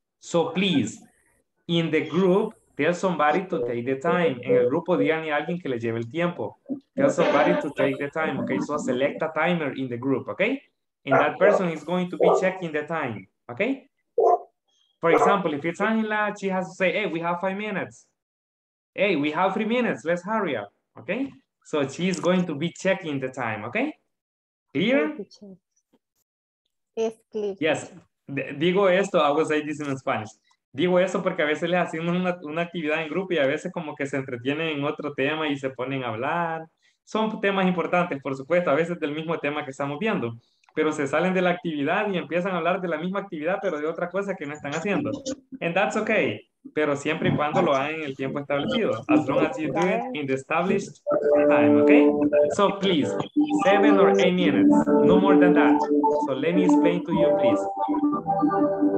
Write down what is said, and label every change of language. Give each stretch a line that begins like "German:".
English: So please, in the group, tell somebody to take the time.
Spanish: En el grupo, díganle a alguien que le lleve el tiempo.
English: Tell somebody to take the time, okay? So select a timer in the group, okay? And that person is going to be checking the time, okay? For example, if it's Angela, she has to say, hey, we have 5 minutes. Hey, we have 3 minutes, let's hurry up, okay? So she's going to be checking the time, okay? Clear? Yes, clear. Yes,
Spanish: digo esto,
English: I will say this in Spanish.
Spanish: Digo eso porque a veces les hacemos una actividad en grupo y a veces como que se entretienen en otro tema y se ponen a hablar. Son temas importantes, por supuesto, a veces del mismo tema que estamos viendo, pero se salen de la actividad y empiezan a hablar de la misma actividad, pero de otra cosa que no están haciendo.
English: And that's okay.
Spanish: Pero siempre y cuando lo hagan en el tiempo establecido.
English: As long as you do it in the established time, okay? So please, 7 or 8 minutes, no more than that. So let me explain to you, please.